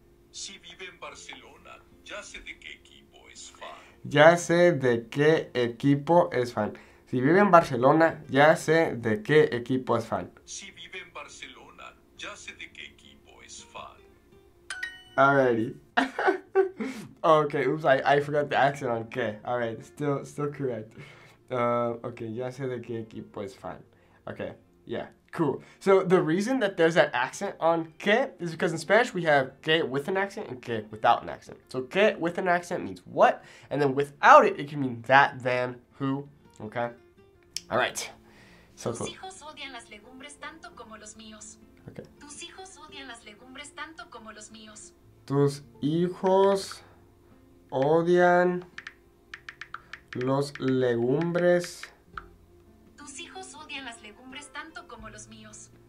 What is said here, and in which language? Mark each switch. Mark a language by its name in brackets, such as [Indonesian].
[Spanish] Si vive en Barcelona, ya sé de qué equipo es fan. Ya sé de qué equipo es fan. Si vive en Barcelona, ya sé de qué equipo es fan. Si vive en Barcelona, ya sé de qué equipo es fan. [English] Alrighty. Okay, oops, I forgot the accent on K. Alright, still correct. [Spanish] Okay, ya sé de qué equipo es fan. [English] Okay, yeah, cool. So the reason that there's that accent on que is because in Spanish we have que with an accent and que without an accent. So que with an accent means what, and then without it, it can mean that, then, who, okay? All right, so cool. [Spanish] Tus hijos odian las legumbres tanto como los míos. [English] Okay. [Spanish] Tus hijos odian las legumbres tanto como los míos. Tus hijos odian los legumbres. Tus hijos odian las legumbres tanto como los míos.